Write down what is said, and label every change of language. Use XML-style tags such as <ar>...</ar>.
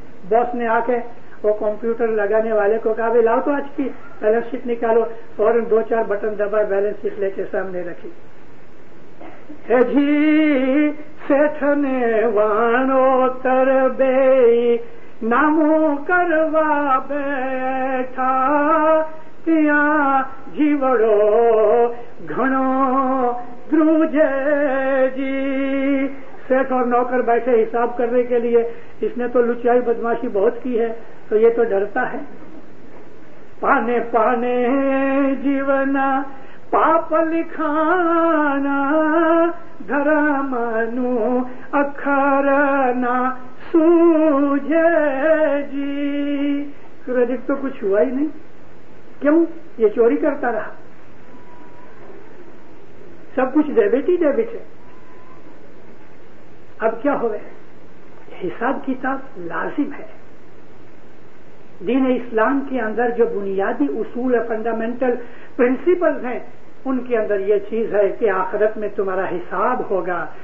<ur>پاس نے آ کے وہ کمپیوٹر لگانے والے کو کہا بھی لاؤ تو آج کی بیلنس شیٹ نکالو, اور دو چار بٹن دبائے بیلنس شیٹ لے کے سامنے رکھی.</ur> <mwr>اے جی سیٹھ نے وانو تر بے نامو کروا بیٹھا تیا جیوڑو گھنو دروجے جی.</mwr> <ur>سیٹھ اور نوکر بیٹھے حساب کرنے کے لیے, اس نے تو لچائی بدماشی بہت کی ہے تو یہ تو ڈرتا ہے.</ur> <mwr>پانے پانے جیونا پاپ لکھانا گھر مانو اکھر نا سوجے جی.</mwr> <ur>کریڈٹ تو کچھ ہوا ہی نہیں, کیوں؟ یہ چوری کرتا رہا, سب کچھ ڈیبٹ ہی ڈیبٹ ہے. اب کیا ہوئے, حساب کتاب لازم ہے. دین اسلام کے اندر جو بنیادی اصول ہے, فنڈامنٹل پرنسپل ہیں, ان کے اندر یہ چیز ہے کہ آخرت میں تمہارا حساب ہوگا.</ur>